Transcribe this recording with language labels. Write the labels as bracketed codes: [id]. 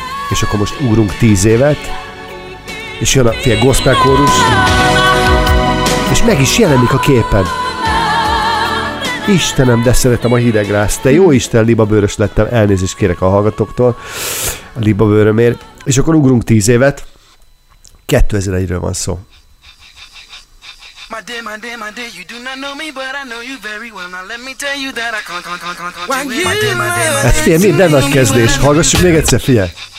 [hu] És akkor most ugrunk 10 évet, és jön a fél gospel kórus, és meg is jelenik a képen. Istenem, de szeretem a hidegrázt, te jó Isten, libabőrös lettem, elnézést kérek a hallgatóktól, a libabőrömért. És akkor ugrunk 10 évet, 2001-ről van szó. [en] My dear, you do not know me, but I know you very well. Now let me tell you that I can't do it. My dear, [hu] hát figyelj, minden nagy kezdés. Hallgassuk még egyszer, figyelj.